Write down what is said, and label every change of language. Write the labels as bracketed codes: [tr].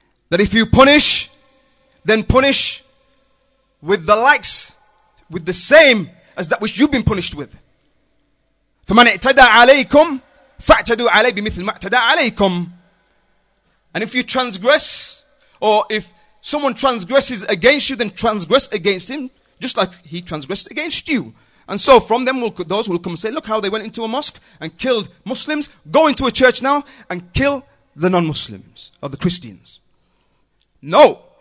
[en] That if you punish, then punish with the likes, with the same as that which you've been punished with. [ar] فَمَنْ اِعْتَدَى عَلَيْكُمْ فَاَعْتَدُوا عَلَيْهِ بِمِثْلِ مَا اَعْتَدَى عَلَيْكُمْ. [en] And if you transgress, or if someone transgresses against you, then transgress against him, just like he transgressed against you. And so from them, those will come and say, look how they went into a mosque and killed Muslims. Go into a church now and kill the non-Muslims or the Christians. No.